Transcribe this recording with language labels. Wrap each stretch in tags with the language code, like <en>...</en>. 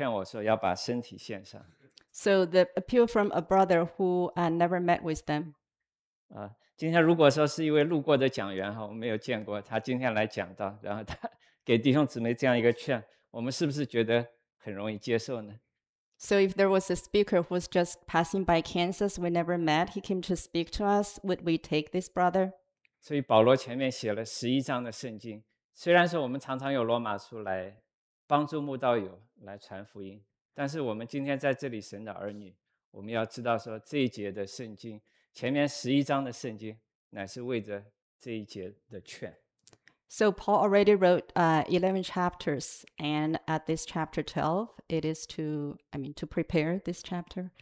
<en>So the appeal from a brother who never met with them.</en> <zh>今天如果说是一位路过的讲员，我没有见过，他今天来讲到，然后他给弟兄姊妹这样一个劝，我们是不是觉得很容易接受呢？</zh> <en>So if there was a speaker who was just passing by Kansas, we never met, he came to speak to us, would we take this brother?</en> <zh>所以保罗前面写了十一章的圣经，虽然说我们常常有罗马书来帮助慕道友来传福音，但是我们今天在这里神的儿女，我们要知道说这一节的圣经，前面十一章的圣经， 乃是为着这一节的劝。</zh> <en>So Paul already wrote 11 chapters, and at this chapter 12, it is to prepare this chapter.</en>